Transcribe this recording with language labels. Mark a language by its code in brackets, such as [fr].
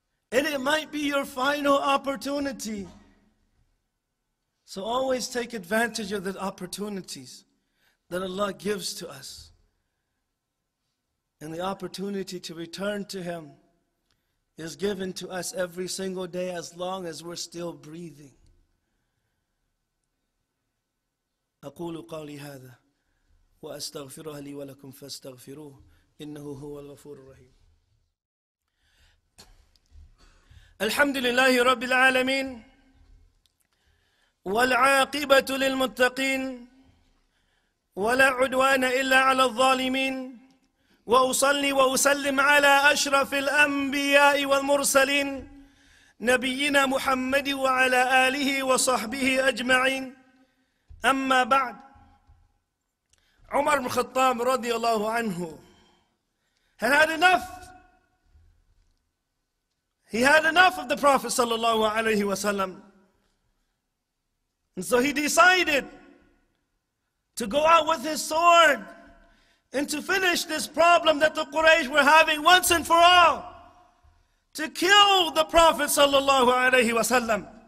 [en] And it might be your final opportunity. So always take advantage of the opportunities that Allah gives to us. And the opportunity to return to Him is given to us every single day as long as we're still breathing. [ar] أقول قولي هذا وأستغفرها لي ولكم فاستغفروه إنه هو الغفور الرحيم. الحمد لله رب العالمين والعاقبة للمتقين ولا عدوان إلا على الظالمين وأصلي وأسلم على أشرف الأنبياء والمرسلين نبينا محمد وعلى آله وصحبه أجمعين. أما بعد, عمر بن الخطاب رضي الله عنه [en] had had enough. He had enough of the Prophet [ar] صلى الله عليه وسلم. [en] And so he decided to go out with his sword and to finish this problem that the Quraysh were having once and for all, to kill the Prophet صلى الله عليه وسلم.